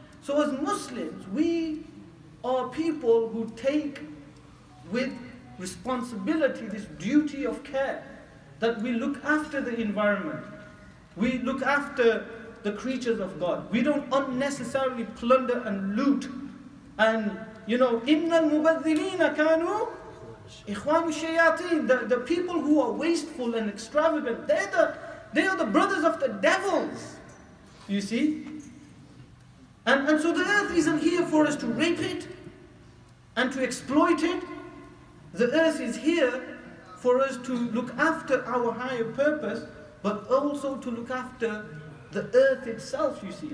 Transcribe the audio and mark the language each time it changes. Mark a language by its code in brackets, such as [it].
[en] So as Muslims, we are people who take with responsibility, this duty of care, that we look after the environment, we look after the creatures of God, we don't unnecessarily plunder and loot. And you know, [ar] إِنَّ الْمُبَذِّلِينَ كَانُوا إِخْوَانُ الشَّيَاطِينَ. [en] The people who are wasteful and extravagant, they are the brothers of the devils, you see. And so the earth isn't here for us to rape it and to exploit it. The earth is here for us to look after our higher purpose, but also to look after the earth itself, you see.